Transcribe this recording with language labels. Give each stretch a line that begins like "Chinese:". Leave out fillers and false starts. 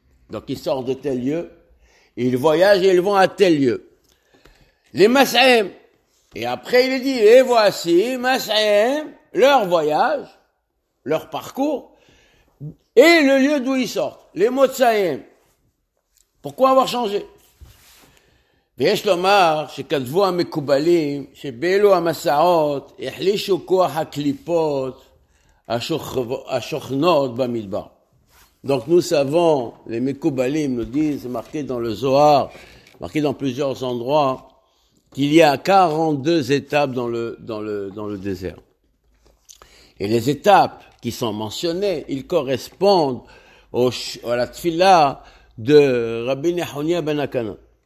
French: Donc, ils sortent de tel lieu. Ils voyagent et ils vont à tel lieu. Les Masaem. Et après, il est dit, et voici, Masaem, leur voyage, leur parcours, et le lieu d'où ils sortent. Les Motsaem. Pourquoi avoir changé?
Hebrew: ויש לומר שכתבו המקובלים שבאלו המסעות החלישו כוח הקליפות השוכנות במדבר.
French: Donc nous savons, les mekoubalim nous disent, c'est marqué dans le Zohar, marqué dans plusieurs endroits, qu'il y a 42 étapes dans le désert. Et les étapes qui sont mentionnées, ils correspondent à la tfila de Rabbi Nehonia ben Akana.